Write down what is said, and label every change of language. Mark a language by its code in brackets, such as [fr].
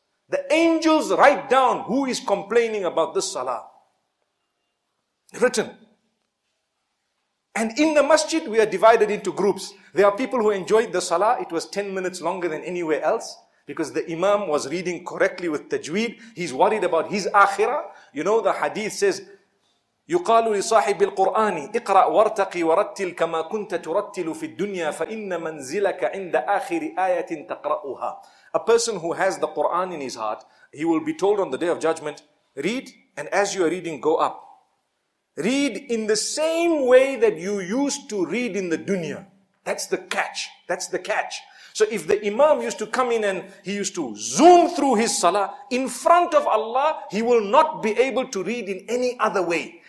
[en] The angels write down who is complaining about this salah. Written. And in the masjid, we are divided into groups. There are people who enjoyed the salah. It was 10 minutes longer than anywhere else. Because the imam was reading correctly with tajweed. He's worried about his akhirah. [ar] You know, the hadith says, يُقَالُ لِصَاحِبِ الْقُرْآنِ اِقْرَأْ وَارْتَقِي وَرَتِّلْ كَمَا كُنْتَ تُرَتِّلُ فِي الدُّنْيَا فَإِنَّ مَنْزِلَكَ عِنْدَ آخِرِ آيَةٍ تَقْرَأُهَا. [en] A person who has the Quran in his heart, he will be told on the day of judgment, read, and as you are reading, go up. Read in the same way that you used to read in the dunya. That's the catch. That's the catch. So if the imam used to come in and he used to zoom through his salah in front of Allah, he will not be able to read in any other way.